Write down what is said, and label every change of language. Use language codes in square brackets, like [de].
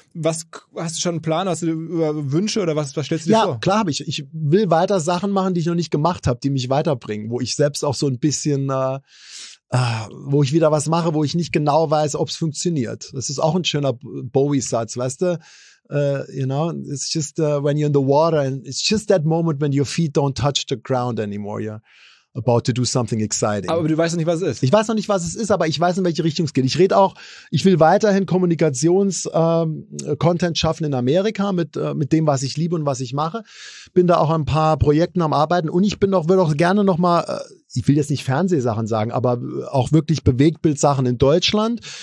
[de] Was hast du schon einen Plan? Hast du über Wünsche oder was stellst du dir vor? Ja, klar habe ich. Ich will weiter Sachen machen, die ich noch nicht gemacht habe, die mich weiterbringen, wo ich selbst auch so ein bisschen, wo ich wieder was mache, wo ich nicht genau weiß, ob es funktioniert. Das ist auch ein schöner Bowie-Satz, weißt du? [en] It's just when you're in the water and it's just that moment when your feet don't touch the ground anymore, yeah. About to do something exciting. [de] Aber du weißt noch nicht, was es ist. Ich weiß noch nicht, was es ist, aber ich weiß, in welche Richtung es geht. Ich rede auch, ich will weiterhin Kommunikations-Content schaffen in Amerika mit dem, was ich liebe und was ich mache. Bin da auch an ein paar Projekten am Arbeiten und ich würde auch gerne nochmal, ich will jetzt nicht Fernsehsachen sagen, aber auch wirklich Bewegtbildsachen in Deutschland.